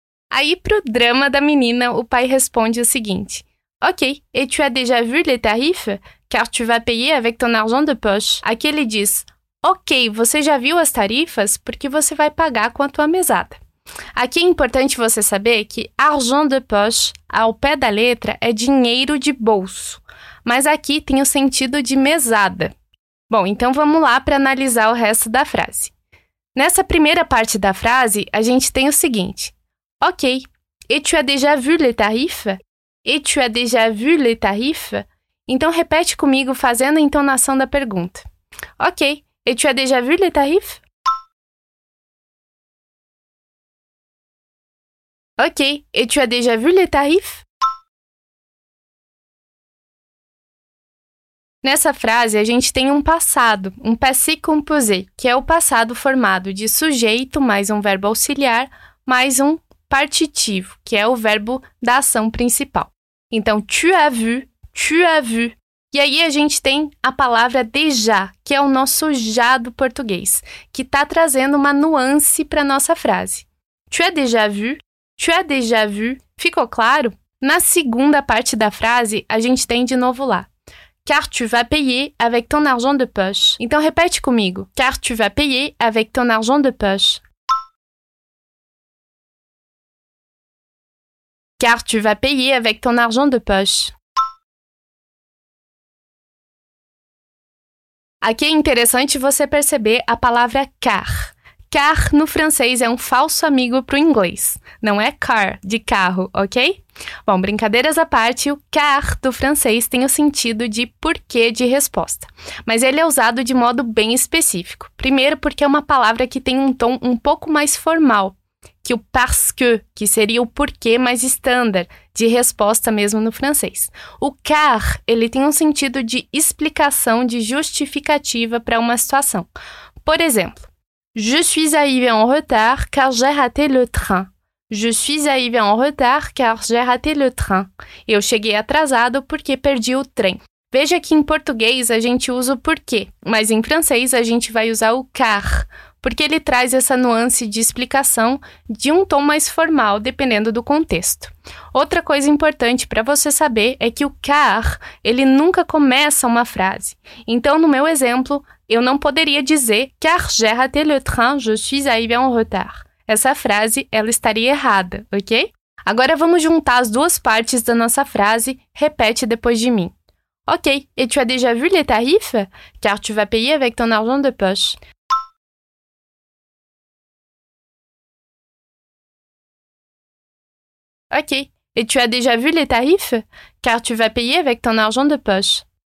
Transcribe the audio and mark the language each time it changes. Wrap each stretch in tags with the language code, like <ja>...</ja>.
<pt>Aí, pro drama da menina, o pai responde o seguinte.</pt> <fr>Ok, et tu as déjà vu les tarifs? Car tu vas payer avec ton argent de poche.</fr> <pt>Aqui ele diz, ok, você já viu as tarifas? Porque você vai pagar com a tua mesada. Aqui é importante você saber que</pt> <fr>argent de poche,</fr> <pt>ao pé da letra, é dinheiro de bolso. Mas aqui tem o sentido de mesada. Bom, então vamos lá para analisar o resto da frase. Nessa primeira parte da frase, a gente tem o seguinte.</pt> <fr>Ok, et tu as déjà vu les tarifs? Et tu as déjà vu les tarifs?</fr> <pt>Então repete comigo fazendo a entonação da pergunta.</pt> <fr>Ok, et tu as déjà vu les tarifs? Ok, et tu as déjà vu les tarifs?</fr> <pt>Nessa frase, a gente tem um passado, um passé composé, que é o passado formado de sujeito mais um verbo auxiliar mais um partitivo, que é o verbo da ação principal. Então,</pt> <fr>tu as vu, tu as vu.</fr> <pt>E aí a gente tem a palavra déjà, que é o nosso já do português, que está trazendo uma nuance para a nossa frase.</pt> <fr>Tu as déjà vu, tu as déjà vu.</fr> <pt>Ficou claro? Na segunda parte da frase, a gente tem de novo lá.</pt> <fr>Car tu vas payer avec ton argent de poche.</fr> <pt>Então, repete comigo.</pt> <fr>Car tu vas payer avec ton argent de poche. Car tu vas payer avec ton argent de poche.</fr> <pt>Aqui é interessante você perceber a palavra car. Car no francês é um falso amigo para o inglês. Não é car, de carro, ok? Bom, brincadeiras à parte, o car do francês tem o sentido de porquê de resposta. Mas ele é usado de modo bem específico. Primeiro porque é uma palavra que tem um tom um pouco mais formal que o parce que seria o porquê mais standard de resposta mesmo no francês. O car, ele tem um sentido de explicação, de justificativa para uma situação. Por exemplo,</pt> <fr>je suis arrivé en retard car j'ai raté le train. Je suis arrivé en retard car j'ai raté le train.</fr> <pt>Eu cheguei atrasado porque perdi o trem. Veja que em português a gente usa o porquê, mas em francês a gente vai usar o car, porque ele traz essa nuance de explicação de um tom mais formal, dependendo do contexto. Outra coisa importante para você saber é que o car, ele nunca começa uma frase. Então, no meu exemplo, eu não poderia dizer</pt> <fr>car j'ai raté le train, je suis arrivé en retard.</fr> <pt>Essa frase, ela estaria errada, ok? Agora vamos juntar as duas partes da nossa frase, repete depois de mim.</pt> <fr>Ok, et tu as déjà vu les tarifs? Car tu vas payer avec ton argent de poche. Ok, et tu as déjà vu les tarifs? Car tu vas payer avec ton argent de poche.</fr>